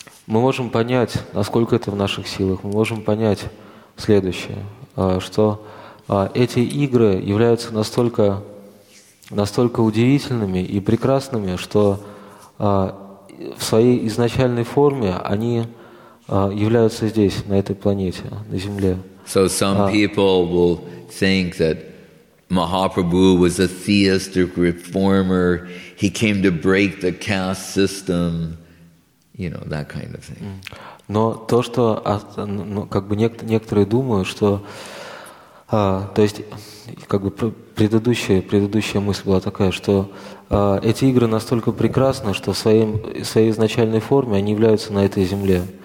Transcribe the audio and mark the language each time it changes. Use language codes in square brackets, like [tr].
[ru] Мы можем понять, насколько это в наших силах. Мы можем понять следующее, что эти игры являются настолько удивительными и прекрасными, что в своей изначальной форме они являются здесь, на этой планете, на Земле. [en] So some people will think that Mahaprabhu was a theistic reformer, he came to break the caste system, you know, that kind of thing. [ru] Но то, что как бы некоторые думают, что то есть, как бы предыдущая мысль была такая, что эти игры настолько прекрасны, что в своей изначальной форме они являются на этой земле.